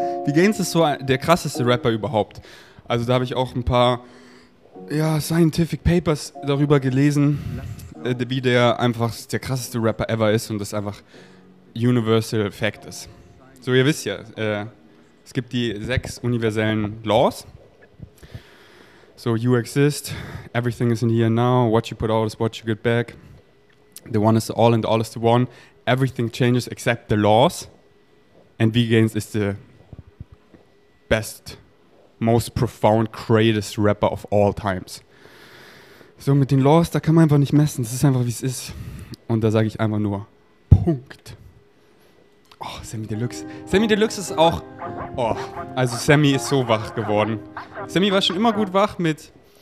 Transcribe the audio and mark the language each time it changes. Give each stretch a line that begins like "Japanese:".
German: Wie Gaines ist so der krasseste Rapper überhaupt. Also da habe ich auch ein paar Scientific Papers darüber gelesen, wie der einfach der krasseste Rapper ever ist und das einfach Universal Fact ist. So, ihr wisst ja, es gibt die 6 universellen Laws.
English: So, you exist, everything is in here now, what you put out is what you get back, the one is the all and the all is the one, everything changes except the laws, and V-Gains is the best, most profound, greatest rapper of all times.
German: So, mit den Laws, da kann man einfach nicht messen, das ist einfach, wie es ist. Und da sage ich einfach nur, Punkt. Oh, Sammy Deluxe. Sammy Deluxe ist auch... Oh, also Sammy ist so wach geworden. Sammy war schon immer gut wach mit...